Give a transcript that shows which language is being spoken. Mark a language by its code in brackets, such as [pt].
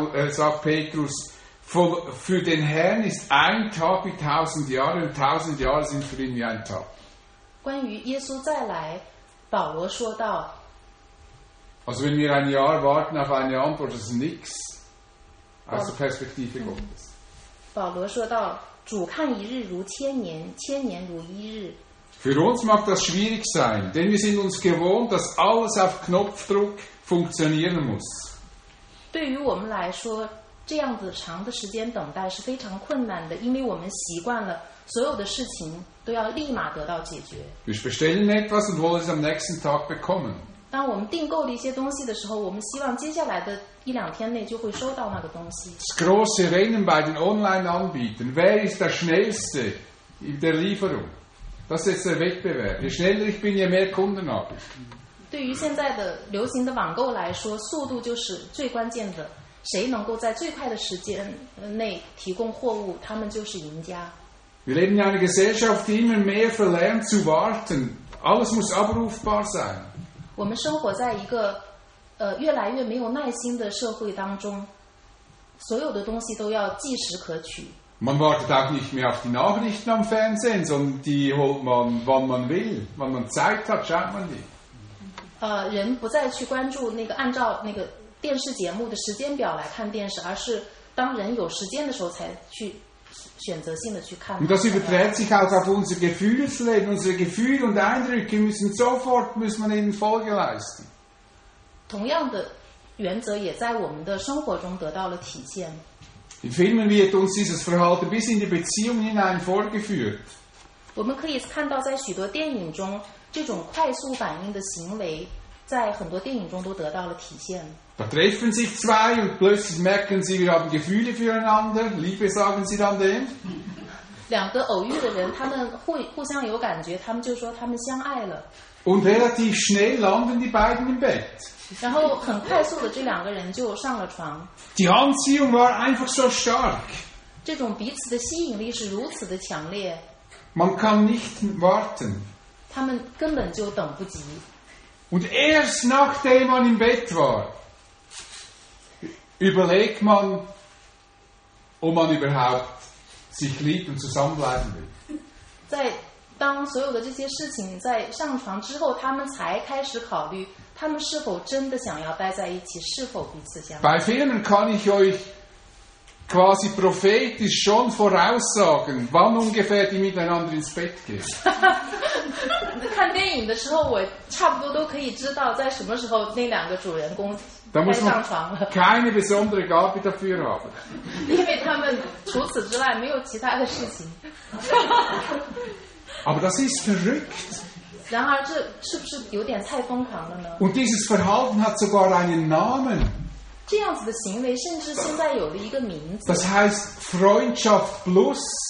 [de] Sagt Petrus, für den Herrn ist ein Tag wie 1000 Jahre und 1000 Jahre sind für ihn wie ein Tag. [zh] 关于耶稣再来，保罗说道。 [de] Also wenn wir ein Jahr warten auf eine Antwort, ist nichts aus der Perspektive Gottes. [zh] 保罗说道，主看一日如千年，千年如一日。 [de] Für uns mag das schwierig sein, denn wir sind uns gewohnt, dass alles auf Knopfdruck funktionieren muss. [zh] 对于我们来说，这样子长的时间等待是非常困难的，因为我们习惯了所有的事情都要立马得到解决。 [de] Wir bestellen etwas und wollen es am nächsten Tag bekommen. [zh] 当我们订购了一些东西的时候，我们希望接下来的一两天内就会收到那个东西。 [de] Das große Rennen bei den Online-Anbietern. Wer ist der schnellste in der Lieferung? Das ist jetzt der Wettbewerb. Je schneller ich bin, je mehr Kunden habe ich. [zh] 对于现在的流行的网购来说，速度就是最关键的。谁能够在最快的时间内提供货物，他们就是赢家。 [de] Wir leben in einer Gesellschaft, die immer mehr verlernt zu warten. Alles muss abrufbar sein. [zh] 我们生活在一个越来越没有耐心的社会当中，所有的东西都要即时可取。 [de] Man wartet auch nicht mehr auf die Nachrichten am Fernsehen, sondern die holt man, wann man will, wann man Zeit hat, schaut man die. [zh] 人不再去关注那个按照那个电视节目的时间表来看电视，而是当人有时间的时候才去选择性的去看。 [de] Und das überträgt sich auch auf unser Gefühlsleben, unsere Gefühle und Eindrücke müssen sofort müssen man ihnen Folge leisten. [zh] 同样的原则也在我们的生活中得到了体现。 [de] In Filmen wird uns dieses Verhalten bis in die Beziehung hinein vorgeführt. [zh] 我们可以看到在许多电影中。这种快速反应的行为在很多电影中都得到了体现。 [de] Da treffen sich zwei und plötzlich merken sie, wir haben Gefühle füreinander. Liebe sagen sie dann dem. [zh] 两个偶遇的人，他们互相有感觉，他们就说他们相爱了。 [de] Und relativ schnell landen die beiden im Bett. [zh] 然后很快速的，这两个人就上了床。 [de] Die Anziehung war einfach so stark. [zh] 这种彼此的吸引力是如此的强烈。 [de] Man kann nicht warten. [zh] 他们根本就等不及。 [de] Und erst nachdem man im Bett war, überlegt man, ob man überhaupt sich liebt und zusammenbleiben will. [zh] 在当所有的这些事情在上床之后，他们才开始考虑，他们是否真的想要待在一起，是否彼此相爱。 [de] Bei vielen kann ich euch quasi prophetisch schon voraussagen, wann ungefähr die miteinander ins Bett gehen. [zh] 看电影的时候，我差不多都可以知道在什么时候那两个主人公该上床了。 [de] Keine besondere Gabe dafür haben. [zh] 因为他们除此之外没有其他的事情。 [de] Aber das ist verrückt. [zh] 然而这是不是有点太疯狂了呢？ [de] Und dieses Verhalten hat sogar einen Namen. [zh] 这样子的行为甚至现在有了一个名字。 [de] Das heißt Freundschaft plus.